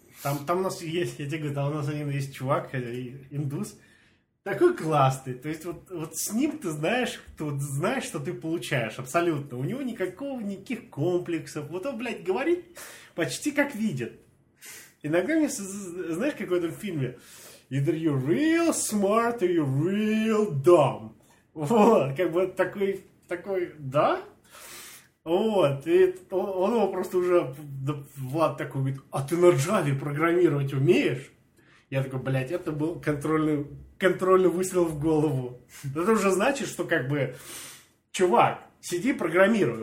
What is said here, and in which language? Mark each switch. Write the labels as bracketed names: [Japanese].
[Russian] Там, там у нас есть, я тебе говорю, там у нас один есть чувак, индус. Такой классный. То есть, вот, вот с ним ты знаешь, тут знаешь, что ты получаешь абсолютно. У него никакого, никаких комплексов. Вот он, блядь, говорит почти как видит. Иногда мне, знаешь, как в этом фильме... [English] Either you're real smart or you're real dumb. [Russian] Вот, как бы такой, такой, да? Вот, и он его просто уже, Влад такой говорит, а ты на Java программировать умеешь? Я такой, блядь, это был контрольный выстрел в голову. Это уже значит, что как бы, чувак, сиди программируй.